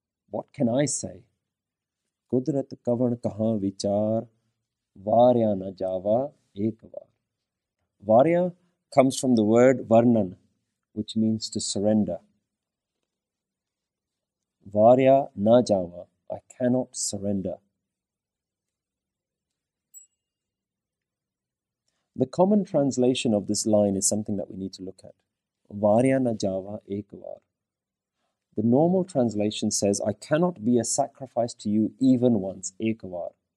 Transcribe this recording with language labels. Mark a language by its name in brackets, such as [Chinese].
[English] What can I say? [Punjabi] Kudrat kavan kahan vichar varya na java ekvar. [English] Varya comes from the word varnan, which means to surrender. [Punjabi] ਵਾਰਿਆ ਨ ਜਾਵਾ, [English] I cannot surrender. The common translation of this line is something that we need to look at. [Punjabi] Varya na java ekvar. [English] The normal translation says, I cannot be a sacrifice to you even once, ekavar.